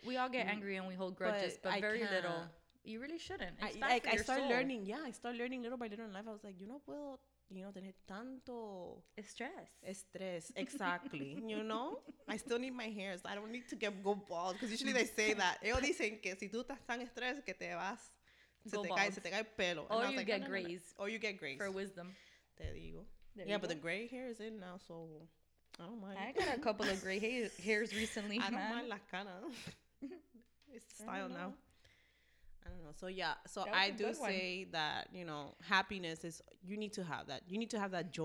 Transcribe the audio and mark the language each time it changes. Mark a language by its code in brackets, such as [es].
[en] We all get angry and we hold grudges, but very little. You really shouldn't. I start learning little by little in life. I was like, [es] tener tanto estrés, [en] exactly. You know, I still need my hair, so I don't need to go bald because usually they say that. [es] Ellos dicen que si tú estás tan estrés que te vas, se te cae pelo, [en] or you get grays, or you get grays for wisdom. [es] Te digo, [en] yeah, but the gray hair is in now, so I don't mind. I got a couple of gray hairs recently. I don't mind [es] las canas, [en] it's style now. I don't know. So, yeah. So, I do say that, you know, happiness is, you need to have that. You need to have that joy.